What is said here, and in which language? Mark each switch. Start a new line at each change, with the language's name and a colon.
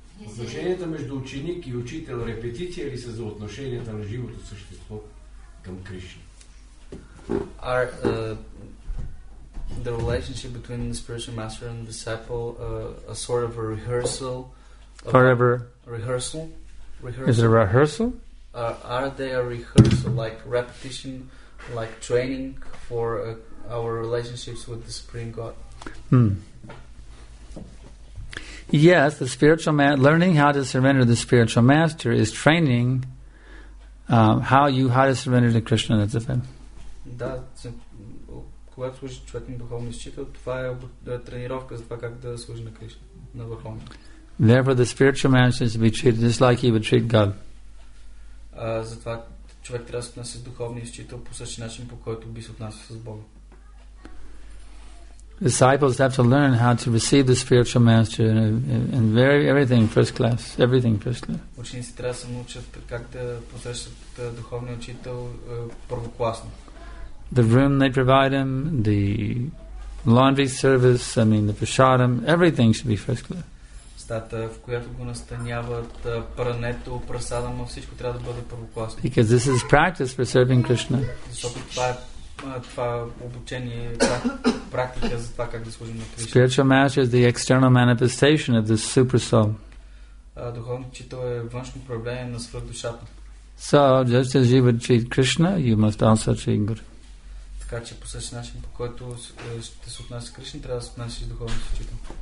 Bulgarian: Отношенията между ученик и учител репетиция ли са за отношенията на живото същество към Кришна?
English: Are the relationship between the spiritual master and disciple a sort of a rehearsal? Forever. Rehearsal? Is it a rehearsal? Are they a rehearsal, like repetition, like training for our relationships with the Supreme God? Hmm. Yes, the spiritual learning how to surrender to the spiritual master is training how you had a surrender to Krishna, that's a fact.
Bulgarian: Да, когато служи човек на духовни изчител, това е тренировка за това как да служи на Кришна, на върховни.
English: Therefore, the spiritual man should be treated just like he would treat God.
Bulgarian: Затова човек трябва да се отнася с духовни изчител по същия начин, по който би се отнася с Бога.
English: Disciples have to learn how to receive the spiritual master and very everything first class, everything first class.
Bulgarian: Учениците трябва да се научат как да посрещат духовния учител първокласно.
English: The room they provide him, the laundry service, I mean the prasadam, everything should be first class.
Bulgarian: Стаята, в която го настаняват, прането, прасадама, всичко трябва да бъде първокласно.
English: Because this is practice for serving Krishna.
Bulgarian: Това обучение, практика за това как да служим на Кришна.
English: Spiritual master is the external manifestation of the super soul.
Bulgarian: Духовният учител е външно проявление на свръхдушата.
English: So, just as you would treat Krishna, you must also treat Guru.
Bulgarian: Така че по същия начин, по който ще се отнася с Кришна, трябва да се отнася с духовният учител.